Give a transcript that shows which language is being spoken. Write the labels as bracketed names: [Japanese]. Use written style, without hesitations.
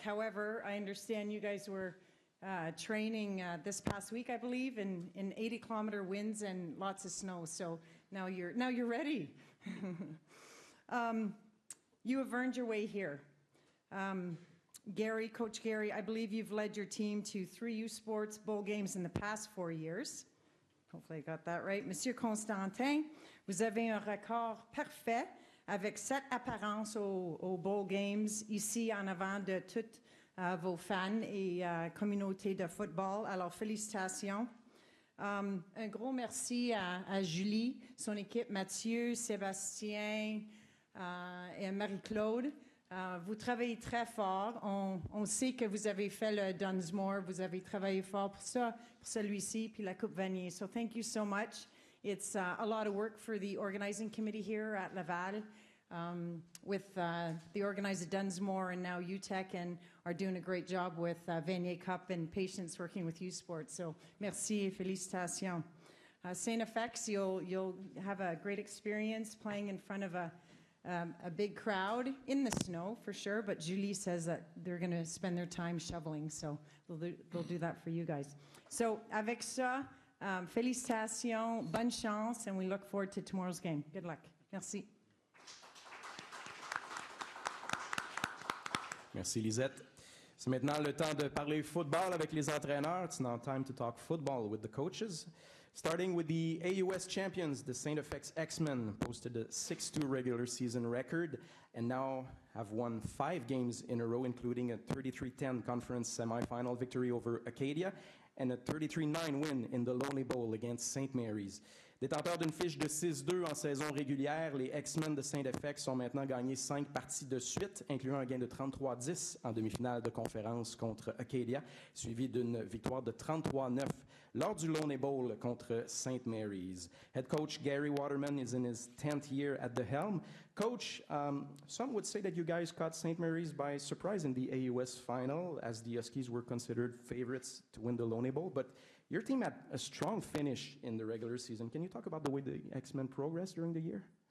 [English] However, I understand you guys were training this past week, I believe, in 80-kilometer winds and lots of snow. So now you're ready. you have earned your way here. Gary, Coach Gary, I believe you've led your team to three U Sports bowl games in the past 4 years. Hopefully I got that right. [French] Monsieur Constantin, vous avez un record parfait avec 7 apparences au bowl games ici en avant de toutes vos fans et communautés de football. Alors, félicitations. Un gros merci à Julie, son équipe, Mathieu, Sébastien et Marie-Claude. Vous travaillez très fort. On sait que vous avez fait le Dunsmore. Vous avez travaillé fort pour ça, pour celui-ci, puis la Coupe Vanier. [English] So thank you so much. It's a lot of work for the organizing committee here at Laval with the organizer Dunsmore and now Uteck, and are doing a great job with Vanier Cup and patience working with U Sports. So [French] merci et félicitations. [English] St. FX, you'll have a great experience playing in front of a big crowd in the snow, for sure, but Julie says that they're going to spend their time shoveling, so they'll do that for you guys. So, [French] avec ça, félicitations, bonne chance, [English] and we look forward to tomorrow's game. Good luck. [French] Merci. Merci, Lisette. C'est maintenant le temps de parler football avec les entraîneurs. [English] It's now time to talk football with the coaches. Starting with the AUS champions, the St. FX X-Men posted a 6-2 regular season record and now have won 5 games in a row, including a 33-10 conference semifinal victory over Acadia and a 33-9 win in the Lonely Bowl against St. Mary's. [French] Détenteurs d'une fiche de 6-2 en saison régulière, les X-Men de Saint-Effect sont maintenant gagnés 5 parties de suite, incluant un gain de 33-10 en demi-finale de conférence contre Acadia, suivi d'une victoire de 33-9 lors du Lone Bowl contre St. [English] Mary's. Head coach Gary Waterman is in his 10th year at the helm. Coach, some would say that you guys caught St. Mary's by surprise in the AUS final, as the Huskies were considered favorites to win the Lone Bowl, but your team had a strong finish in the regular season. Can you talk about the way the X-Men progressed during the year?